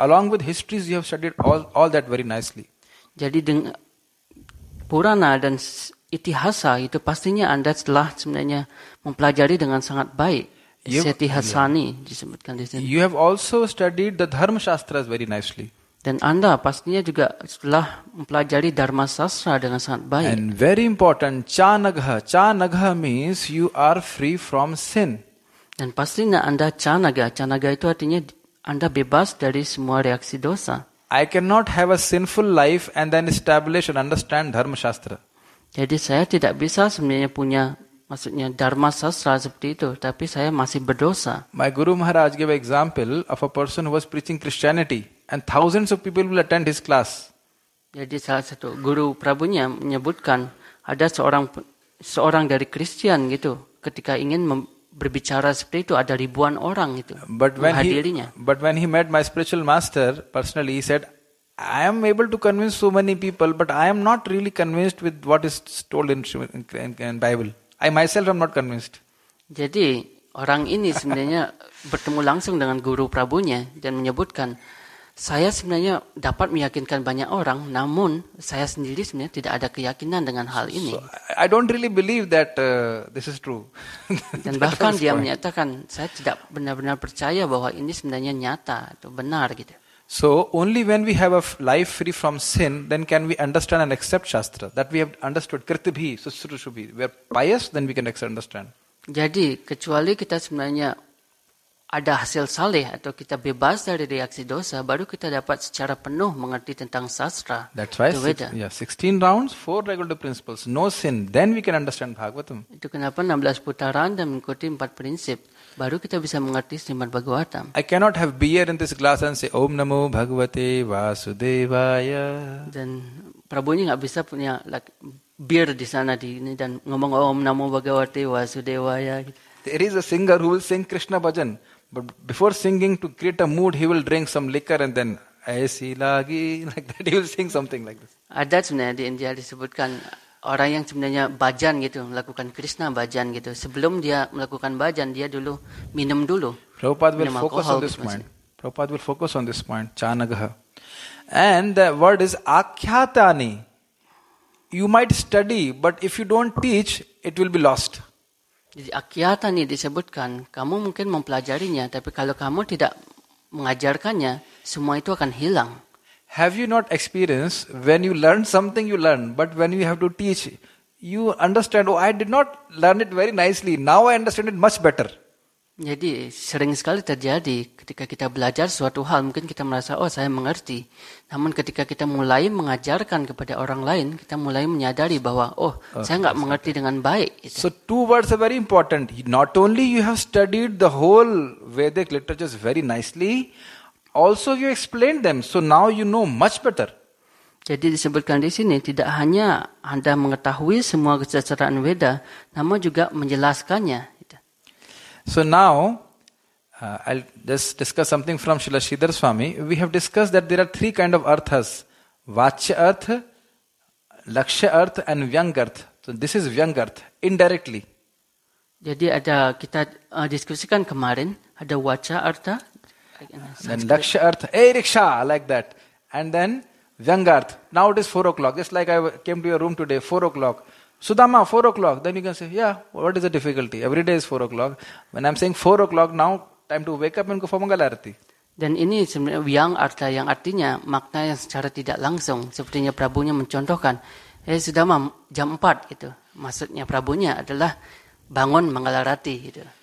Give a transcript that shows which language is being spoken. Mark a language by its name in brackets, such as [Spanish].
[English] Along with histories, you have studied all that very nicely. [Indonesian] Jadi dengan Purana dan itihasa itu pastinya Anda telah sebenarnya mempelajari dengan sangat baik. Setihasani disebutkan di sini. [English] You have also studied the Dharma Shastras very nicely. [Indonesian] Dan Anda pastinya juga telah mempelajari Dharma Shastra dengan sangat baik. [English] And very important, Chanagha. Chanagha means you are free from sin. [Indonesian] Dan pastinya Anda Chanagha. Chanagha itu artinya Anda bebas dari semua reaksi dosa. [English] I cannot have a sinful life and then establish and understand Dharma Shastra. [Indonesian] Jadi saya tidak bisa sebenarnya punya maksudnya Dharma Shastra seperti itu, tapi saya masih berdosa. [English] My Guru Maharaj gave an example of a person who was preaching Christianity and thousands of people will attend his class. [Indonesian] Jadi salah satu Guru Prabunya menyebutkan ada seorang dari Kristen gitu, ketika ingin berbicara seperti itu ada ribuan orang itu menghadirinya. [English] But when he met my spiritual master personally, he said, I am able to convince so many people, but I am not really convinced with what is told in Bible. I myself am not convinced. [Indonesian] Jadi orang ini sebenarnya bertemu langsung dengan Guru Prabunya dan menyebutkan, saya sebenarnya dapat meyakinkan banyak orang, namun saya sendiri sebenarnya tidak ada keyakinan dengan hal ini. [English] So, I don't really believe that this is true. [Indonesian] Dan bahkan dia menyatakan, saya tidak benar-benar percaya bahwa ini sebenarnya nyata atau benar gitu. [English] So only when we have a life free from sin, then can we understand and accept Shastra. That we have understood. Kirtibhi, Sushrushubhi. We are pious, then we can understand. [Indonesian] Jadi, kecuali kita sebenarnya ada hasil saleh atau kita bebas dari reaksi dosa, baru kita dapat secara penuh mengerti tentang Shastra. [English] That's why, yeah, 16 rounds, 4 regular principles, no sin. Then we can understand Bhagavatam. [Indonesian] Itu kenapa 16 putaran dan mengikuti 4 prinsip. Baru kita bisa mengerti Srimad Bhagavatam. [English] I cannot have beer in this glass and say Om Namo Bhagavate Vasudevaya. [Indonesian] Dan Prabhunya enggak bisa punya like beer di sana di ini dan ngomong Om Namo Bhagavate Vasudevaya. [English] There is a singer who will sing Krishna bhajan, but before singing to create a mood he will drink some liquor and then [Hindi] aisi lagi, [English] like that he will sing something like this. [Indonesian] Ada sebenarnya di India disebutkan orang yang sebenarnya bhajan gitu, melakukan Krishna bhajan gitu. Sebelum dia melakukan bhajan, dia dulu minum dulu. [English] Prabhupada will focus on this point. Prabhupada will focus on this point. Chanagha. And the word is akhyatani. You might study, but if you don't teach, it will be lost. [Indonesian] Jadi akhyatani disebutkan, kamu mungkin mempelajarinya, tapi kalau kamu tidak mengajarkannya, semua itu akan hilang. [English] Have you not experienced when you learn something, you learn, but when you have to teach, you understand, oh, I did not learn it very nicely. Now I understand it much better. [Indonesian] Jadi, sering sekali terjadi ketika kita belajar suatu hal, mungkin kita merasa, oh, saya mengerti. Namun ketika kita mulai mengajarkan kepada orang lain, kita mulai menyadari bahwa, oh, saya enggak mengerti dengan baik. Gitu. [English] So, two words are very important. Not only you have studied the whole Vedic literatures very nicely, also you explained them, so now you know much better. [Indonesian] Jadi disebutkan di sini tidak hanya Anda mengetahui semua kecacaran Veda, namun juga menjelaskannya. [English] So now I'll just discuss something from Srila Sridhar Swami. We have discussed that there are three kind of arthas: Vachya Arth, Lakshya Arth, and Vyang Arth. So this is Vyang Arth indirectly. [Indonesian] Jadi ada kita diskusikan kemarin ada Vachya Artha, [English] then Lakshya Arth, Eriksha, like that, and then Vyang Arth. Now it is 4 o'clock. Just like I came to your room today, 4 o'clock. Sudama, 4 o'clock. Then you can say, yeah, what is the difficulty? Every day is 4 o'clock. When I'm saying 4 o'clock now, time to wake up and go for Mangal Arati. [Indonesian] Dan ini sebenarnya Vyang Artha yang artinya makna yang secara tidak langsung. Sepertinya Prabhunya mencontohkan, hey, Sudama, jam 4 gitu. Maksudnya Prabhunya adalah bangun Mangal Arati gitu.